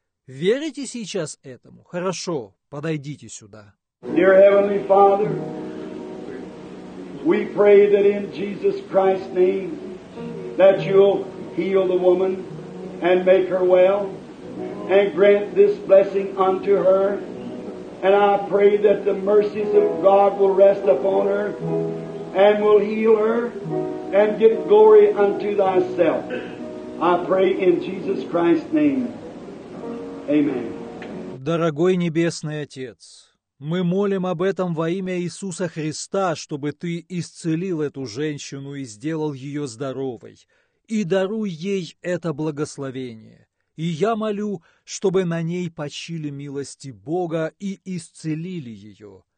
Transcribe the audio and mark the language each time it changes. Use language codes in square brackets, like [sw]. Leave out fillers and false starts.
[ru] Верите сейчас этому? Хорошо, подойдите сюда. [en] Dear Heavenly Father, we pray that in Jesus Christ's name that You'll heal the woman and make her well and grant this blessing unto her And I pray that the mercies of God will rest upon her and will heal her and give glory unto thyself. I pray in Jesus Christ's name. Amen. [ru] Дорогой Небесный Отец, мы молим об этом во имя Иисуса Христа, чтобы Ты исцелил эту женщину и сделал ее здоровой, и даруй ей это благословение. И я молю, чтобы на ней почили милости Бога и исцелили ее.